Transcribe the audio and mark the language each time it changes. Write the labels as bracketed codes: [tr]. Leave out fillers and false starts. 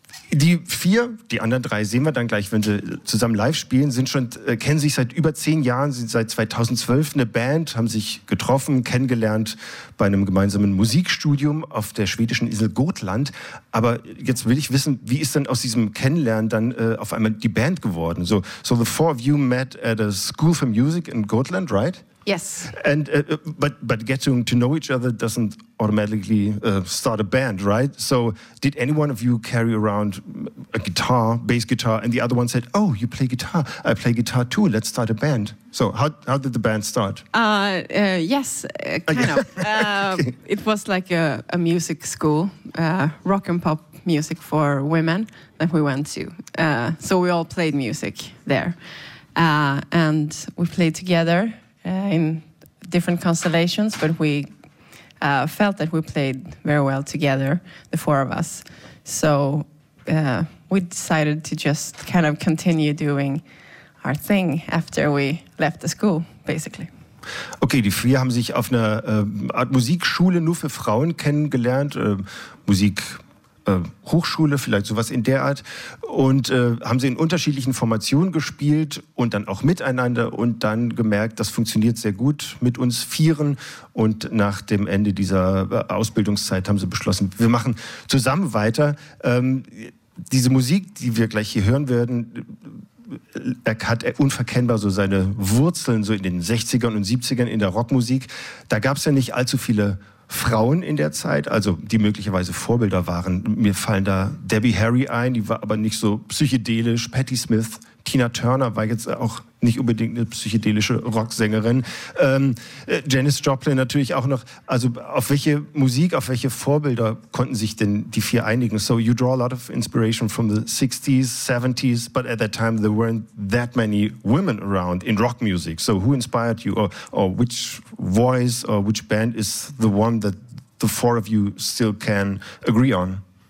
[de] Die vier, die anderen drei sehen wir dann gleich, wenn sie zusammen live spielen, sind schon kennen sich seit über 10 Jahren, sind seit 2012 eine Band, haben sich getroffen, kennengelernt bei einem gemeinsamen Musikstudium auf der schwedischen Insel Gotland. Aber jetzt will ich wissen, wie ist denn aus diesem Kennenlernen dann auf einmal die Band geworden? [en] So the four of you met at a school for music in Gotland, right? Yes. And but getting to know each other doesn't automatically start a band, right? So did any one of you carry around a guitar, bass guitar, and the other one said, "Oh, you play guitar? I play guitar too. Let's start a band." So how did the band start? Yes, kind of. Okay. It was like a music school, rock and pop music for women that we went to. So we all played music there, and we played together. In different constellations, but we felt that we played very well together, the four of us. So we decided to just kind of continue doing our thing after we left the school, basically. [de] Okay, die vier haben sich auf einer Art Musikschule nur für Frauen kennengelernt, Musik. Hochschule, vielleicht sowas in der Art. Und haben sie in unterschiedlichen Formationen gespielt und dann auch miteinander und dann gemerkt, das funktioniert sehr gut mit uns Vieren. Und nach dem Ende dieser Ausbildungszeit haben sie beschlossen, wir machen zusammen weiter. Diese Musik, die wir gleich hier hören werden, hat unverkennbar so seine Wurzeln so in den 60ern und 70ern in der Rockmusik. Da gab es ja nicht allzu viele Frauen in der Zeit, also die möglicherweise Vorbilder waren. Mir fallen da Debbie Harry ein, die war aber nicht so psychedelisch. Patti Smith, Tina Turner war jetzt auch nicht unbedingt eine psychedelische Rocksängerin. Janis Joplin natürlich auch noch. Also auf welche Musik, auf welche Vorbilder konnten sich denn die vier einigen? [en] So you draw a lot of inspiration from the 60s, 70s, but at that time there weren't that many women around in rock music. So who inspired you or which voice or which band is the one that the four of you still can agree on?